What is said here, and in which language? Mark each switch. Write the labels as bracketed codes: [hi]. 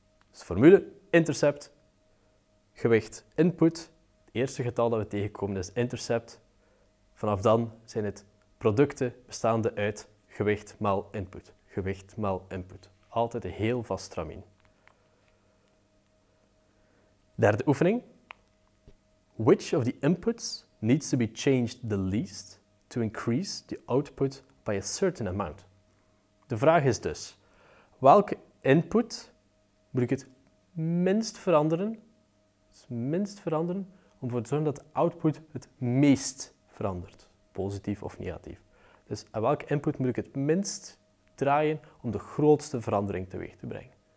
[nl] Dus de formule, intercept, gewicht, input. Het eerste getal dat we tegenkomen is intercept. Vanaf dan zijn het producten bestaande uit gewicht maal input. Gewicht maal input. Altijd een heel vast stramien. Derde oefening. [en] Which of the inputs needs to be changed the least to increase the output by a certain amount? [nl] De vraag is dus, welke input moet ik het minst veranderen? Dus minst veranderen om ervoor te zorgen dat de output het meest verandert, positief of negatief. Dus aan welke input moet ik het minst draaien om de grootste verandering teweeg te brengen.